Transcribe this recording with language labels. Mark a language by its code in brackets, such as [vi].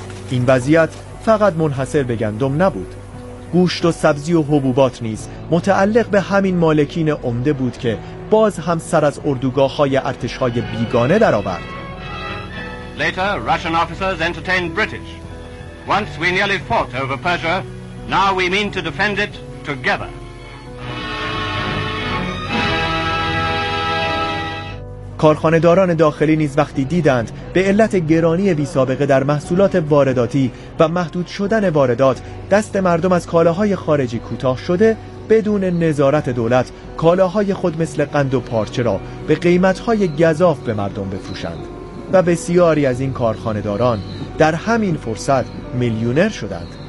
[fa] این وضعیت فقط منحصر به گندم نبود. گوشت و سبزی و حبوبات نیز متعلق به همین مالکین عمده بود که باز هم سر از اردوگاه‌های ارتش‌های بیگانه درآورد. [en] Later, Russian officers entertained British. Once we nearly fought over Persia, now we mean to defend it together. [fa] کارخانه‌داران داخلی نیز وقتی دیدند به علت گرانی بی سابقه در محصولات وارداتی و محدود شدن واردات دست مردم از کالاهای خارجی کوتاه شده، بدون نظارت دولت کالاهای خود مثل قند و پارچه را به قیمت‌های گزاف به مردم بفروشند و بسیاری از این کارخانه‌داران در همین فرصت میلیونر شدند.